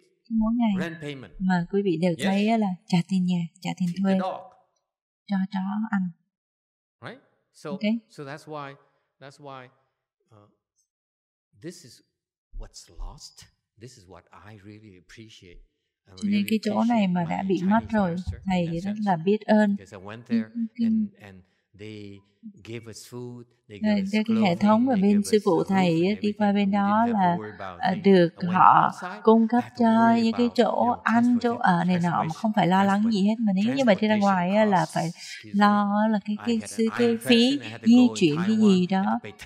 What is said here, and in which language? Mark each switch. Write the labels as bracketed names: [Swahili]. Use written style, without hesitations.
[Vietnamese] Mỗi ngày mà quý vị đều thấy là trả tiền nhà, trả tiền thuê, cho chó ăn. [English] Right? So, okay. So that's why this is what's lost. This is what I really appreciate. [Vietnamese] Cho nên cái chỗ này mà đã bị mất rồi, thầy rất là biết ơn. [English] Because I went there and they gave us food, they gave us clothing, [Vietnamese] cái hệ thống ở bên sư phụ thầy đi qua bên đó là được họ cung cấp cho những cái chỗ ăn, chỗ ở này nọ mà không phải lo lắng gì hết. Mà nếu như mà đi ra ngoài là phải lo là cái phí di chuyển cái gì đó.